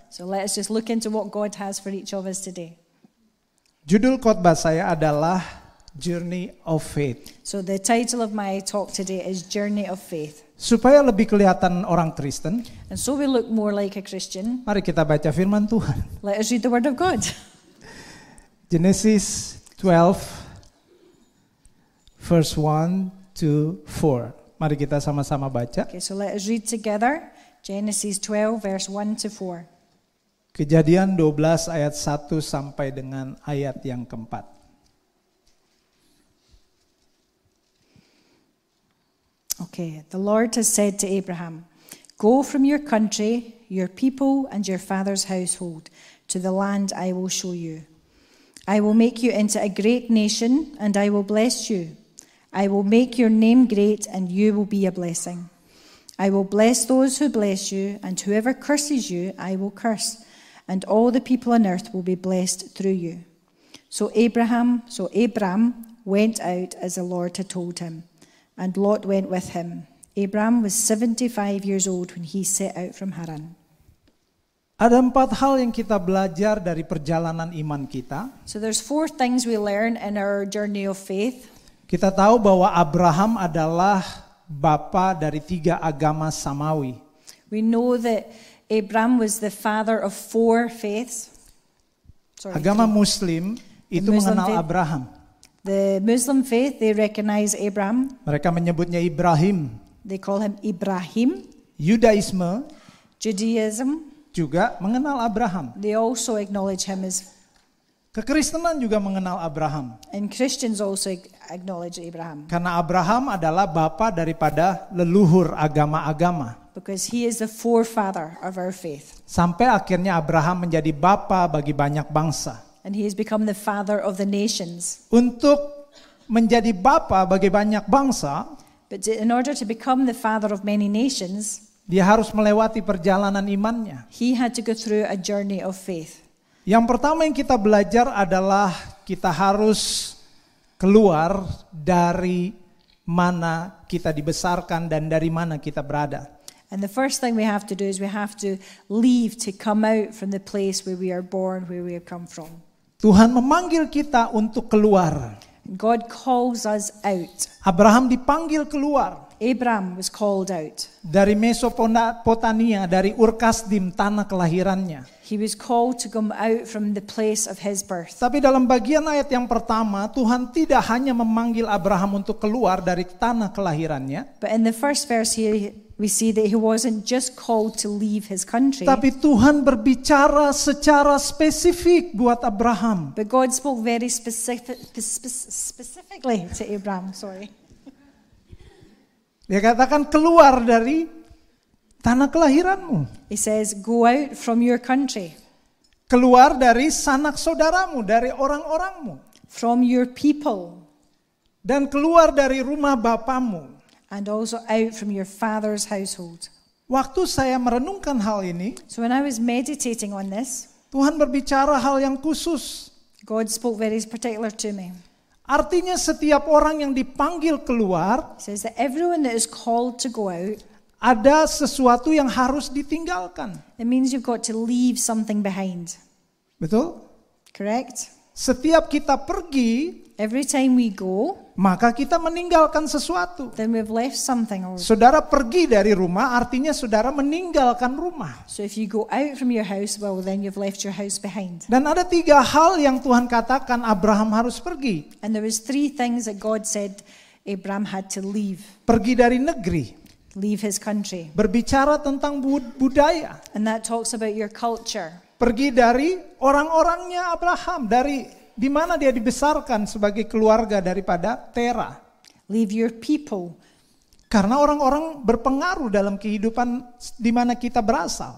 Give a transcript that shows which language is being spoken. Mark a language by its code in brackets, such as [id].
[en] So let us just look into what God has for each of us today. [id] Judul khotbah saya adalah [en] Journey of Faith. So the title of my talk today is Journey of Faith. [id] Supaya lebih kelihatan orang Kristen. [en] And so we look more like a Christian. [id] Mari kita baca firman Tuhan. [en] Let us read the word of God. Genesis 12, verse 1 to 4. [id] Mari kita sama-sama baca. [en] Okay, so let us read together. Genesis 12 verse 1 to 4. [id] Kejadian 12 ayat 1 sampai dengan ayat yang keempat. [en] Okay, the Lord has said to Abraham, go from your country, your people and your father's household to the land I will show you. I will make you into a great nation and I will bless you. I will make your name great and you will be a blessing. I will bless those who bless you, and whoever curses you, I will curse, and all the people on earth will be blessed through you. So Abram went out as the Lord had told him, and Lot went with him. Abram was 75 years old when he set out from Haran. [id] Ada empat hal yang kita belajar dari perjalanan iman kita. [en] So there's four things we learn in our journey of faith. [id] Kita tahu bahwa Abraham adalah bapa dari tiga agama Samawi. [en] We know that Abraham was the father of four faiths. [id] Sorry, agama Muslim itu Muslim mengenal faith. Abraham. [en] The Muslim faith, they recognize Abraham. [id] Mereka menyebutnya Ibrahim. [en] They call him Ibrahim. [id] Yudaisme. [en] Judaism. [id] Juga mengenal Abraham. [en] They also acknowledge him as [id] Kekristenan juga mengenal Abraham. [en] And Christians also acknowledge Abraham. [id] Karena Abraham adalah bapa daripada leluhur agama-agama. [en] Because he is the forefather of our faith. [id] Sampai akhirnya Abraham menjadi bapa bagi banyak bangsa. [en] And he has become the father of the nations. [id] Untuk menjadi bapa bagi banyak bangsa, [en] but in order to become the father of many nations, [id] dia harus melewati perjalanan imannya. [en] He had to go through a journey of faith. [id] Yang pertama yang kita belajar adalah kita harus keluar dari mana kita dibesarkan dan dari mana kita berada. [en] And the first thing we have to do is we have to leave, to come out from the place where we are born, where we have come from. [id] Tuhan memanggil kita untuk keluar. [en] God calls us out. [id] Abraham dipanggil keluar. [en] Abraham was called out. [id] Dari Mesopotamia, dari Ur Kasdim, tanah kelahirannya. [en] He was called to come out from the place of his birth. [id] Tapi dalam bagian ayat yang pertama, Tuhan tidak hanya memanggil Abraham untuk keluar dari tanah kelahirannya. [en] But in the first verse here, we see that he wasn't just called to leave his country. [id] Tapi Tuhan berbicara secara spesifik buat Abraham. [en] But God spoke very specifically to Abraham. Sorry. [id] Dia katakan keluar dari tanah kelahiranmu. [en] He says, go out from your country. [id] Keluar dari sanak saudaramu, dari orang-orangmu. [en] From your people. [id] Dan keluar dari rumah bapamu. [en] And also out from your father's household. [id] Waktu saya merenungkan hal ini, [en] so when I was meditating on this, [id] Tuhan berbicara hal yang khusus. [en] God spoke very particular to me. [id] Artinya setiap orang yang dipanggil keluar, [en] says that everyone that is called to go out, [id] ada sesuatu yang harus ditinggalkan. [en] It means you've got to leave something behind. [id] Betul? [en] Correct. [id] Setiap kita pergi, [en] every time we go, [id] maka kita meninggalkan sesuatu. [en] Then we've left something. [id] Saudara pergi dari rumah, artinya saudara meninggalkan rumah. [en] So if you go out from your house, well then you've left your house behind. [id] Dan ada tiga hal yang Tuhan katakan Abraham harus pergi. [en] And there was three things that God said Abraham had to leave. [id] Pergi dari negeri. [en] Leave his country. [id] Berbicara tentang budaya. [en] And that talks about your culture. [id] Pergi dari orang-orangnya Abraham, dari di mana dia dibesarkan sebagai keluarga daripada Terah. [en] Leave your people. [id] Karena orang-orang berpengaruh dalam kehidupan di mana kita berasal.